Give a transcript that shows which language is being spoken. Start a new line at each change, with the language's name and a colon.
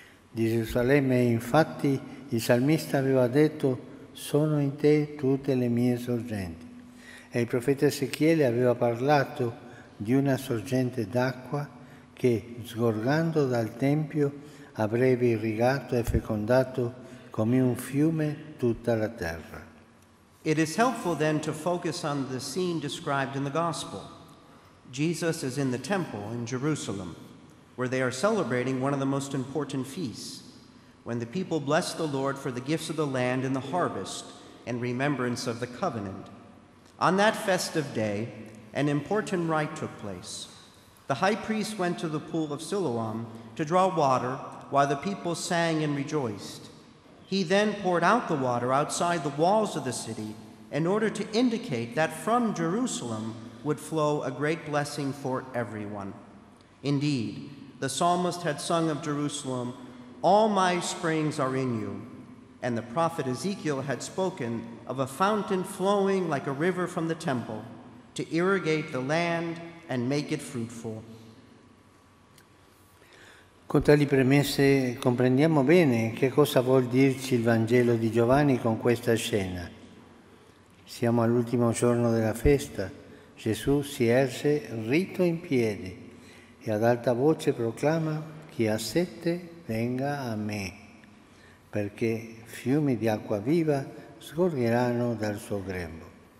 Italian: Di Gerusalemme, infatti, il salmista aveva detto: «Sono in te tutte le mie sorgenti». e il profeta Ezechiele aveva parlato di una sorgente d'acqua che, sgorgando dal Tempio, avrebbe irrigato e fecondato come un fiume tutta la terra.
English: It is helpful then to focus on the scene described in the Gospel. Jesus is in the temple in Jerusalem, where they are celebrating one of the most important feasts, when the people bless the Lord for the gifts of the land and the harvest in remembrance of the covenant. On that festive day, an important rite took place. The high priest went to the pool of Siloam to draw water while the people sang and rejoiced. He then poured out the water outside the walls of the city in order to indicate that from Jerusalem would flow a great blessing for everyone. Indeed, the psalmist had sung of Jerusalem, "All my springs are in you." And the prophet Ezekiel had spoken of a fountain flowing like a river from the temple to irrigate the land and make it fruitful.
Italian: Con tali premesse comprendiamo bene che cosa vuol dirci il Vangelo di Giovanni con questa scena. Siamo all'ultimo giorno della festa. Gesù si erse ritto in piedi e ad alta voce proclama: chi ha sete venga a me, perché fiumi di acqua viva scorreranno dal suo grembo.